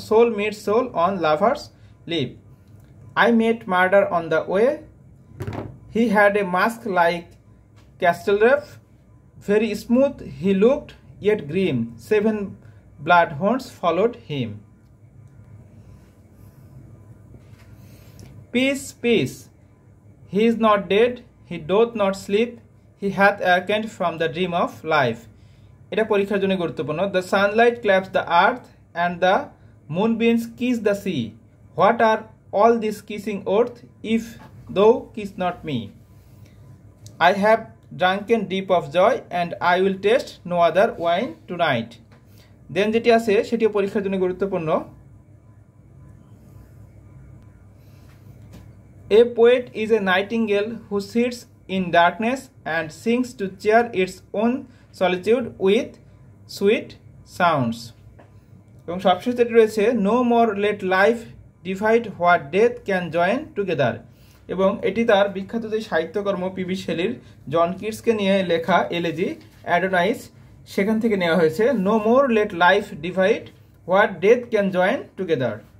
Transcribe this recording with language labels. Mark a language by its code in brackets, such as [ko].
[en] Soul meets soul on lovers live. I met murder on the way, he had a mask like Castlereagh, very smooth he looked yet grim, seven blood hounds followed him. Peace, peace, he is not dead, he doth not sleep, he hath awakened from the dream of life. [bn] Eta porikhar jonno guruttopurno. [en] The sunlight claps the earth and the moonbeams kiss the sea. What are all this kissing earth if thou kiss not me? I have drunken deep of joy and I will taste no other wine tonight. [bn] দেন যেটি আছে সেটিও পরীক্ষার জন্য গুরুত্বপূর্ণ. [en] A poet is a nightingale who sits in darkness and sings to cheer its own solitude with sweet sounds. [bn] এবং সবশেষে রয়েছে [en] No more let life divide what death can join together. [bn] এবং এটি তার বিখ্যাত যে সাহিত্যকর্ম পিবি শেলির জন কিটসকে নিয়ে লেখা এলেজি অ্যাডোনাইস, সেখান থেকে নেওয়া হয়েছে। [en] No more let life divide what death can join together.